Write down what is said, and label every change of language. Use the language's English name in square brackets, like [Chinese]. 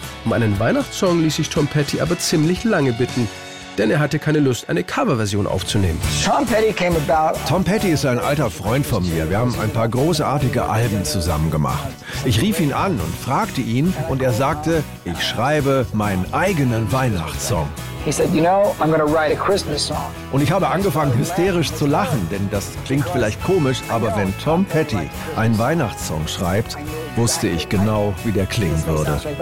[German] Um einen Weihnachtssong ließ sich Tom Petty aber ziemlich lange bitten, denn er hatte keine Lust, eine Coverversion aufzunehmen. Tom Petty ist ein alter Freund von mir. Wir haben ein paar großartige Alben zusammen gemacht. Ich rief ihn an und fragte ihn und er sagte, ich schreibe meinen eigenen Weihnachtssong. [English] He said, you know, I'm gonna write a Christmas song. [German] Und ich habe angefangen, hysterisch zu lachen, denn das klingt vielleicht komisch, aber wenn Tom Petty einen Weihnachtssong schreibt, wusste ich genau, wie der klingen würde.